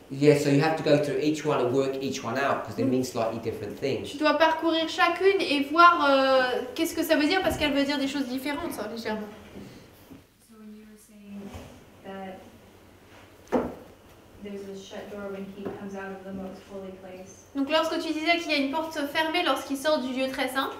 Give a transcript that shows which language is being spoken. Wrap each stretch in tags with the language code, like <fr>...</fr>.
<en>Yeah, so you have to go through each one and work each one out because they mean slightly different things.</en> <fr>Tu dois parcourir chacune et voir qu'est-ce que ça veut dire parce qu'elle veut dire des choses différentes, hein, légèrement.</fr> <en>So when you were saying that there's a shut door when he comes out of the most holy place.</en> <fr>Donc lorsque tu disais qu'il y a une porte fermée lorsqu'il sort du lieu très saint,</fr>